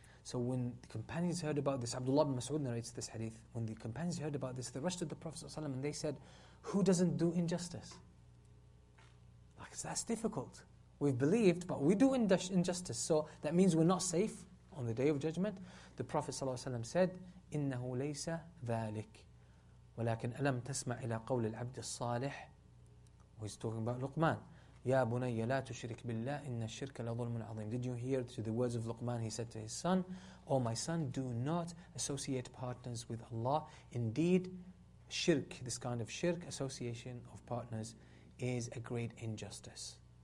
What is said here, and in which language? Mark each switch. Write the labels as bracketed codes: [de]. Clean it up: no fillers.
[en] So when the companions heard about this, Abdullah ibn Mas'ud narrates this hadith, when the companions heard about this, they rushed to the Prophet ﷺ and they said, who doesn't do injustice? Like, that's difficult. We've believed, but we do injustice. So that means we're not safe on the Day of Judgment. The Prophet ﷺ said, [ar] إِنَّهُ لَيْسَ ذَٰلِكَ وَلَكِنْ أَلَمْ تَسْمَعْ إِلَىٰ قَوْلِ الْعَبْدِ الصَّالِحِ. [en] He's talking about Luqman. [ar] يَا بُنَيَّ لَا تُشْرِكْ بِاللَّهِ إِنَّ الشِّرْكَ لَظُلْمٌ عَظِيمٌ. [en] Did you hear to the words of Luqman? He said to his son, O my son, do not associate partners with Allah. Indeed, shirk, this kind of shirk, association of partners, is a great injustice.